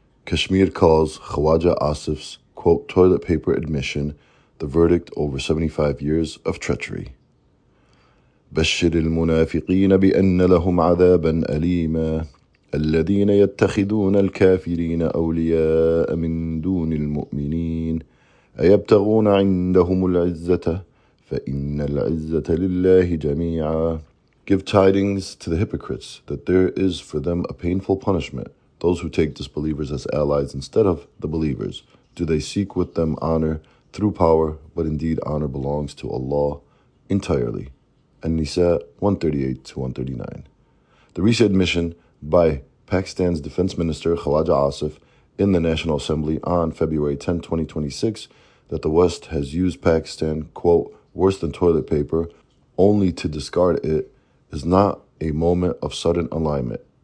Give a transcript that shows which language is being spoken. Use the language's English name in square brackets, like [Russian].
[English] Kashmir calls Khawaja Asif's, quote, toilet paper admission, the verdict over 75 years of treachery. [Arabic] بشر المنافقين بأن لهم عذابا أليما الذين يتخذون الكافرين أولياء من دون المؤمنين أيبتغون عندهم العزة فإن العزة لله جميعا. [English] Give tidings to the hypocrites that there is for them a painful punishment. Those who take disbelievers as allies instead of the believers, do they seek with them honor through power, but indeed honor belongs to Allah entirely. An-Nisa 138-139. The recent admission by Pakistan's Defense Minister Khawaja Asif in the National Assembly on February 10, 2026, that the West has used Pakistan, quote, worse than toilet paper, only to discard it, is not a moment of sudden alignment.